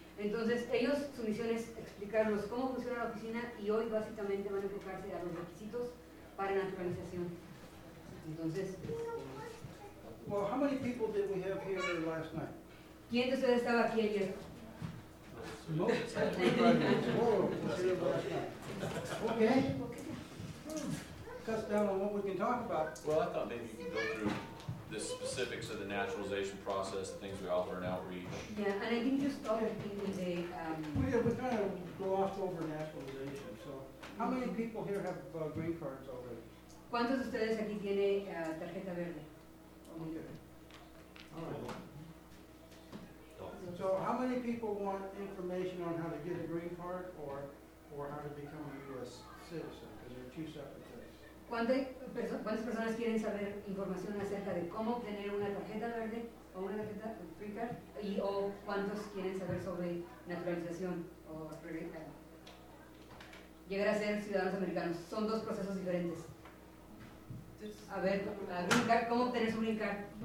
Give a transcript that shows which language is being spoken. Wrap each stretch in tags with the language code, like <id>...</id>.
<es>Entonces, ellos, su misión es explicarnos cómo funciona la oficina y hoy básicamente van a enfocarse a los requisitos para naturalización. Entonces.</es> <en>Well, how many people did we have here last night?</en> <es>¿Quién de ustedes estaba aquí ayer?</es> <en>No, okay. Cut down on what we can talk about. Well, I thought maybe you could go through the specifics of the naturalization process, the things we offer in outreach. Yeah, and I think just Well, yeah, we kind of glossed over naturalization. So, how many people here have green cards already?</en> <es>¿Cuántos de ustedes aquí tiene tarjeta verde?</es> <en>Okay. All right. So, how many people want information on how to get a green card or how to become a U.S. citizen? Because they're two separate things.</en> <es>¿Cuántas personas quieren saber información acerca de cómo obtener una tarjeta verde o una tarjeta green card? Y o cuántos quieren saber sobre naturalización o llegar a ser ciudadanos americanos? Son dos procesos diferentes. A ver, green card, ¿cómo obtener su green card?</es>